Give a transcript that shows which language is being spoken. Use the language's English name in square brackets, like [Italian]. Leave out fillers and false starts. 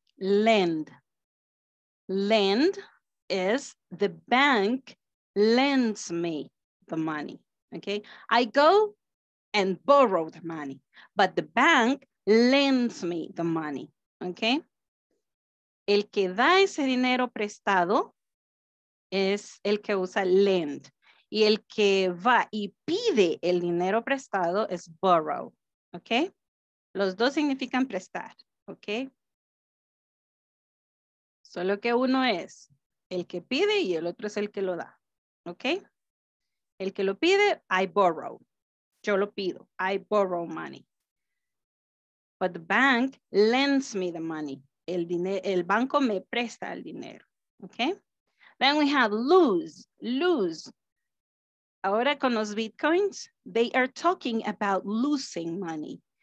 [English] Lend is the bank lends me the money, okay? I go and borrow the money, but the bank lends me the money, okay? [Spanish] El que da ese dinero prestado es el que usa lend. Y el que va y pide el dinero prestado es borrow, okay? Los dos significan prestar, ¿ok? Solo que uno es el que pide y el otro es el que lo da, ¿ok? El que lo pide, [English] I borrow. [Spanish] Yo lo pido, [English] I borrow money. But the bank lends me the money. [Spanish] El dinero, el banco me presta el dinero, ¿ok? [English] Then we have lose, lose. [Spanish] Ahora con los [English] bitcoins, they are talking about losing money.